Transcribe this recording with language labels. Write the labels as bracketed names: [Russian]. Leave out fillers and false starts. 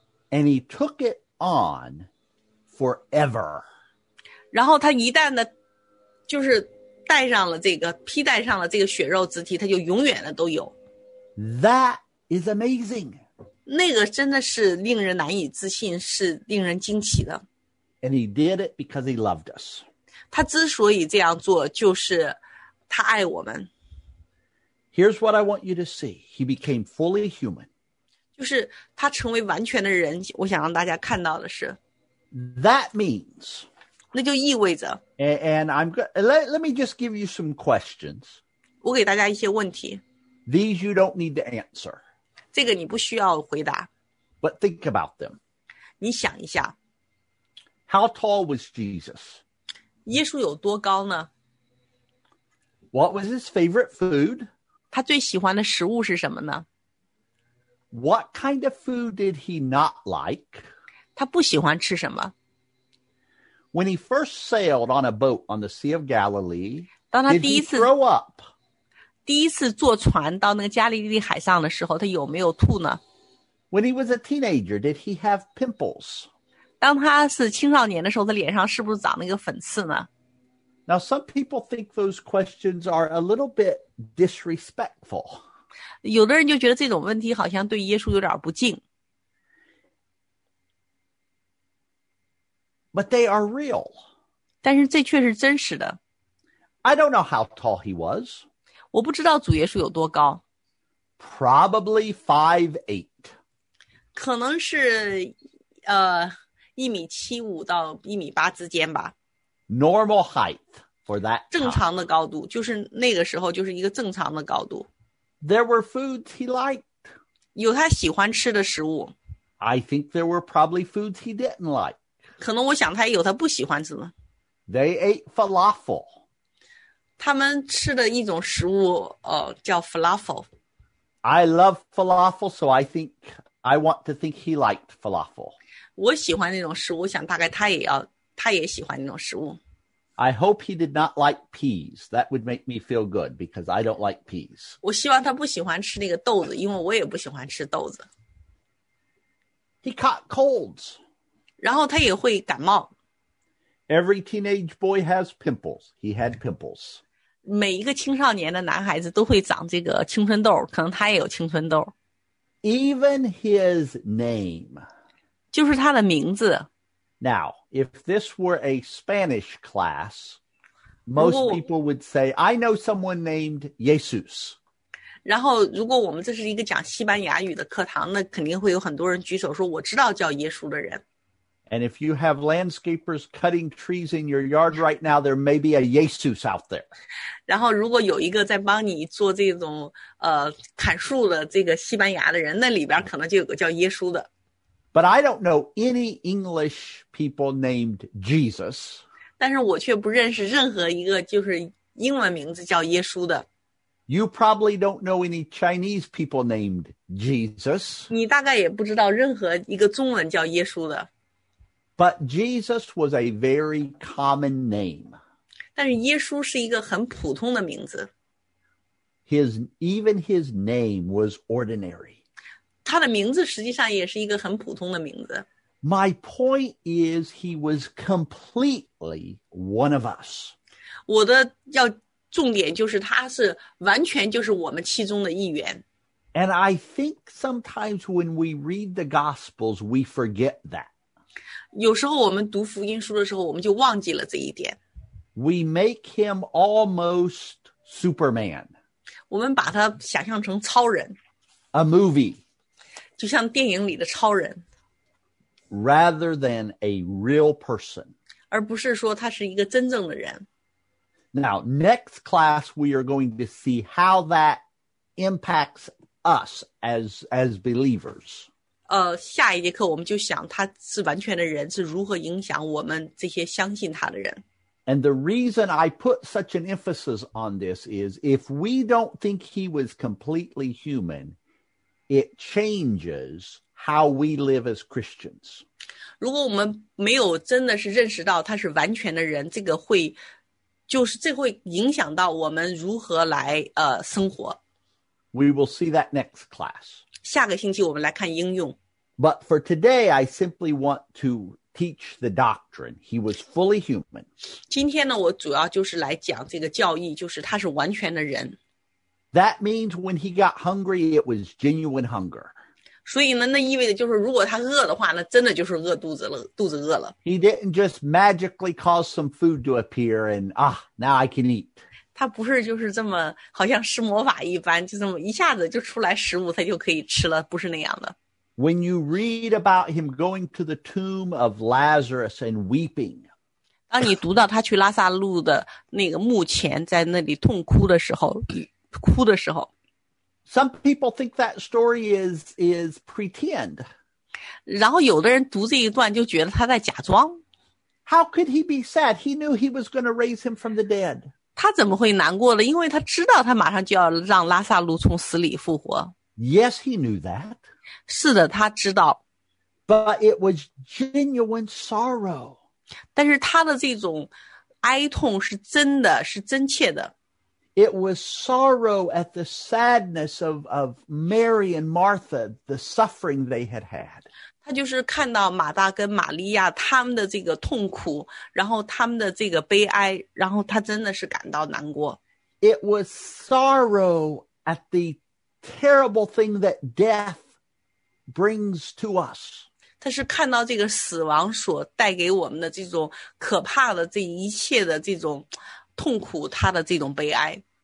[English] And he took it on forever. [Chinese] 然后他一旦的就是戴上了这个，披戴上了这个血肉之体，他就永远的都有。 [English] That is amazing. [Chinese] 那个真的是令人难以置信，是令人惊奇的。 [English] And he did it because he loved us. [Chinese] 他之所以这样做，就是他爱我们。 [English] Here's what I want you to see. He became fully human. [Chinese] 就是他成为完全的人，我想让大家看到的是。 [English] That means. [Chinese] 那就意味着。 [English] And I'm let me just give you some questions. [Chinese] 我给大家一些问题。 [English] These you don't need to answer. [Chinese] 这个你不需要回答。 [English] But think about them. [Chinese] 你想一下。 [English] How tall was Jesus? [Chinese] 耶稣有多高呢? [English] What was his favorite food? [Chinese] 他最喜欢的食物是什么呢? [English] What kind of food did he not like? [Chinese] 他不喜欢吃什么? [English] When he first sailed on a boat on the Sea of Galilee, [Chinese] 当他第一次, [English] did he throw up? [Chinese] 第一次坐船到那个加利利海上的时候, 他有没有吐呢? [English] When he was a teenager, did he have pimples? [Chinese] 当他是青少年的时候，他脸上是不是长了一个粉刺呢？ [English] Now, some people think those questions are a little bit disrespectful. [Chinese] 有的人就觉得这种问题好像对耶稣有点不敬。 [English] But they are real. [Chinese] 但是这却是真实的。 [English] I don't know how tall he was. [Chinese] 我不知道主耶稣有多高。 [English] Probably 5'8". [Chinese] 可能是一米七五到一米八之间吧。 [English] Normal height for that. [Chinese] 正常的高度，就是那个时候就是一个正常的高度。 [English] There were foods he liked. [Chinese] 有他喜欢吃的食物。 [English] I think there were probably foods he didn't like. [Chinese] 可能我想他有他不喜欢吃的。 [English] They ate falafel. [Chinese] 他们吃的一种食物叫 falafel. [English] I love falafel, so I want to think he liked falafel. [Chinese] 我喜欢那种食物，我想大概他也喜欢那种食物。 [English] I hope he did not like peas. That would make me feel good because I don't like peas. [Chinese] 我希望他不喜欢吃那个豆子，因为我也不喜欢吃豆子。 [English] He caught colds. [Chinese] 然后他也会感冒。 [English] Every teenage boy has pimples. He had pimples. [Chinese] 每一个青少年的男孩子都会长这个青春痘，可能他也有青春痘。 [English] Even his name. [Chinese] 就是他的名字。 [English] Now, if this were a Spanish class, most people would say, I know someone named Jesus. [Chinese] 然后如果我们这是一个讲西班牙语的课堂，那肯定会有很多人举手说我知道叫耶稣的人。 [English] And if you have landscapers cutting trees in your yard right now, there may be a Jesus out there. [Chinese] 然后如果有一个在帮你做这种砍树的这个西班牙的人，那里边可能就有个叫耶稣的。 [English] But I don't know any English people named Jesus. [Chinese] 但是我却不认识任何一个就是英文名字叫耶稣的。 [English] You probably don't know any Chinese people named Jesus. [Chinese] 你大概也不知道任何一个中文叫耶稣的。 [English] But Jesus was a very common name. [Chinese] 但是耶稣是一个很普通的名字。 [English] Even his name was ordinary. [Chinese] 他的名字实际上也是一个很普通的名字。 [English] My point is he was completely one of us. [Chinese] 我的要重点就是他是完全就是我们其中的一员。 [English] And I think sometimes when we read the Gospels, we forget that. [Chinese] 有时候我们读福音书的时候，我们就忘记了这一点。 [English] We make him almost Superman. [Chinese] 我们把他想象成超人。 [English] A movie. [Chinese] 就像电影里的超人。 [English] Rather than a real person. [Chinese] 而不是说他是一个真正的人。 [English] Now, next class, we are going to see how that impacts us as believers. [Chinese] 下一节课我们就想他是完全的人，是如何影响我们这些相信他的人。 [English] And the reason I put such an emphasis on this is if we don't think he was completely human, it changes how we live as Christians. [Chinese] 如果我们没有真的是认识到他是完全的人，这个会就是这会影响到我们如何来生活。 [English] We will see that next class. [Chinese] 下个星期我们来看应用。 [English] But for today, I simply want to teach the doctrine. He was fully human. [Chinese] 今天呢，我主要就是来讲这个教义，就是他是完全的人。 [English] That means when he got hungry, it was genuine hunger. [Chinese] 所以呢，那意味着就是如果他饿的话，那真的就是饿肚子了，肚子饿了。 [English] He didn't just magically cause some food to appear and, ah, now I can eat. [Chinese] 他不是就是这么好像施魔法一般，就这么一下子就出来食物，他就可以吃了，不是那样的。 [English] When you read about him going to the tomb of Lazarus and weeping, [Chinese] 当你读到他去拉萨路的那个墓前，在那里痛哭的时候，哭的时候 [English] ，Some people think that story is pretend. [Chinese] 然后有的人读这一段就觉得他在假装。 [English] How could he be sad? He knew he was going to raise him from the dead. [Chinese] 他怎么会难过了？因为他知道他马上就要让拉萨路从死里复活。 [English] Yes, he knew that. [Chinese] 是的，他知道。 [English] But it was genuine sorrow. [Chinese] 但是他的这种哀痛是真的，是真切的。 [English] It was sorrow at the sadness of Mary and Martha, the suffering they had had. [Chinese] 他就是看到马大跟玛利亚他们的这个痛苦，然后他们的这个悲哀，然后他真的是感到难过。 [English] It was sorrow at the terrible thing that death brings to us. [Chinese] 他是看到这个死亡所带给我们的这种可怕的这一切的这种痛苦，他的这种悲哀。